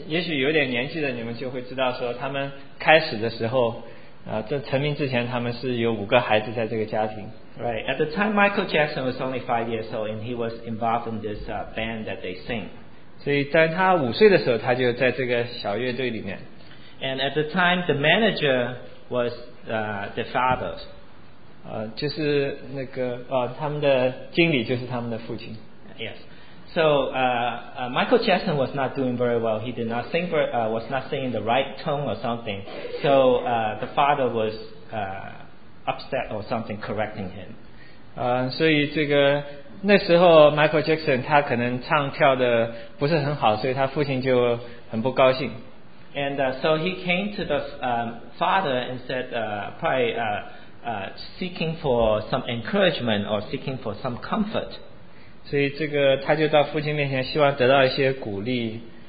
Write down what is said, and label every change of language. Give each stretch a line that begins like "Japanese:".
Chinese: 也许有点年纪的你们就会知道说他们开始的时候在成名之前他们是有五个孩子在这个家庭。
English: Right. At the time, Michael Jackson was only 5 years old, and he was involved in this band that they sing.
Chinese: 所以在他五岁的时候，他就在这个小乐队里面。
English: And at the time, the manager was the father.
Chinese: 就是那个他们的经理就是他们的父亲。
English: Yes. So Michael Jackson was not doing very well. He did not sing was not singing the right tone or something. So the father was upset or something, correcting him.
Chinese: 所以这个那时候 Michael Jackson 他可能唱跳的不是很好，所以他父亲就很不高兴。
English: And so he came to the father and said, probably seeking for some encouragement or seeking for some comfort.
Chinese: 所以这个他就到父亲面前，希望得到一些鼓励。